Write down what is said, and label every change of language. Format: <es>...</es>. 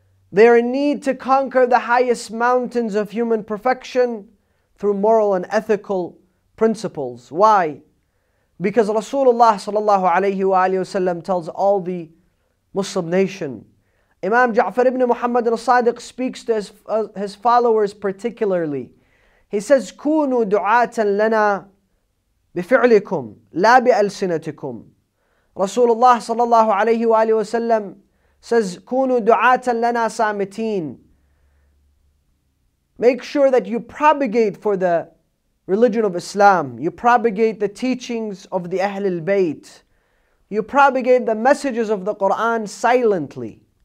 <en>They are in need to conquer the highest mountains of human perfection through moral and ethical principles. Why? Because Rasulullah sallallahu alayhi wa alayhi wa sallam tells all the Muslim nation. Imam Ja'far ibn Muhammad al-Sadiq speaks to his followers particularly. He says,</en> <ar>كُونُوا دُعَاتًا لَنَا بِفِعْلِكُمْ لَا بِأَلْسِنَتِكُمْ. Rasulullah sallallahu alayhi wa alayhi wa sallam says, كُونُوا دُعَاتًا لَنَا سَامِتِينَ.</ar> <en>Make sure that you propagate for the religion of Islam. You propagate the teachings of the Ahlul Bayt. You propagate the messages of the Quran silently.</en>